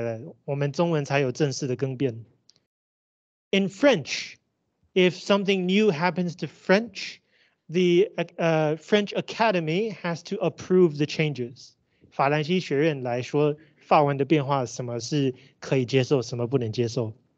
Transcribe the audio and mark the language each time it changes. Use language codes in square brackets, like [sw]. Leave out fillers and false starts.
[zh] 教育部编字典改了，我们中文才有正式的更变。 [en] In French, if something new happens to French, the French Academy has to approve the changes. [zh] 法兰西学院来说，法文的变化什么是可以接受，什么不能接受。